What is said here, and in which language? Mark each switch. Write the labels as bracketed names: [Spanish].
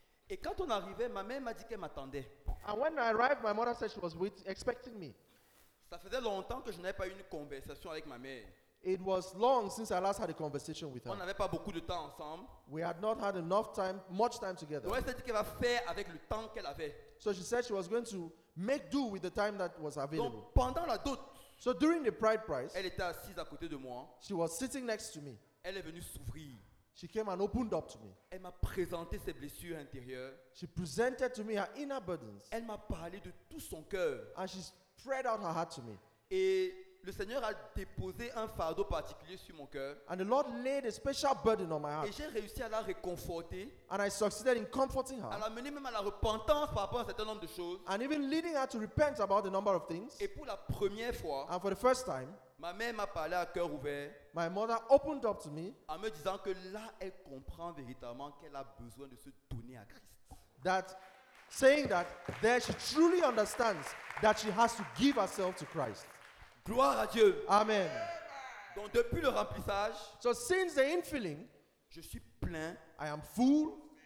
[French] Et quand on arrivait, ma mère m'a dit qu'elle m'attendait. [English] And when I arrived, my mother said she was expecting me. [French] Ça faisait longtemps que je n'avais pas eu une conversation avec ma mère. [English] It was long since I last had a conversation with her. [French] On n'avait pas beaucoup de temps ensemble. [English] We had not had enough time, much time together. [French] Donc elle dit qu'elle va faire avec le temps qu'elle avait. [English] So she said she was going to make do with the time that was available. [French] Donc pendant la dot, [English] so during the bride price, [French] elle était assise à côté de moi. [English] She was sitting next to me. [French] Elle est venue s'ouvrir. [English] She came and opened up to me. [French] Elle m'a présenté ses blessures intérieures. [English] She presented to me her inner burdens. [French] Elle m'a parlé de tout son cœur. [English] And she spread out her heart to me. [French] Et le Seigneur a déposé un fardeau particulier sur mon cœur. [English] And the Lord laid a special burden on my heart. [French] Et j'ai réussi à la réconforter. [English] And I succeeded in comforting her. [French] À l'amener même à la repentance par rapport à un certain nombre de choses. [English] And even leading her to repent about a number of things. [French] Et pour la première fois. [English] And for the first time. [French] Ma mère m'a parlé à cœur ouvert. [English] My mother opened up to me. [French] En me disant que là, elle comprend véritablement qu'elle a besoin de se donner à Christ. [English] That, saying that, there she truly understands that she has to give herself to Christ. [French] Gloire à Dieu. Amen. Donc depuis le remplissage, [English] so since the infilling, [French] je suis plein. [English] I am full.